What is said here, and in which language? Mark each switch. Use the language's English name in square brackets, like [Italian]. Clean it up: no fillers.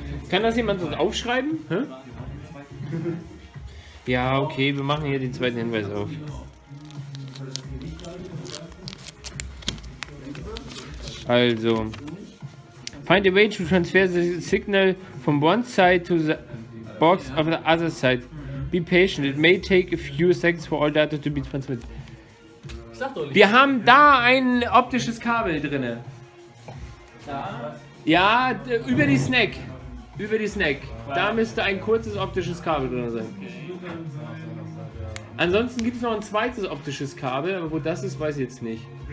[German] Kann das jemand so aufschreiben? Hä? Ja, okay, wir machen hier den zweiten Hinweis auf. [English] Also, find a way to transfer the signal from one side to the box of the other side. Be patient, it may take a few seconds for all data to be transmitted. [German] Wir haben da ein optisches Kabel drinne. Da? Ja, über die Snack. Über die Snack. Da müsste ein kurzes optisches Kabel drin sein. Ansonsten gibt es noch ein zweites optisches Kabel, aber wo das ist, weiß ich jetzt nicht.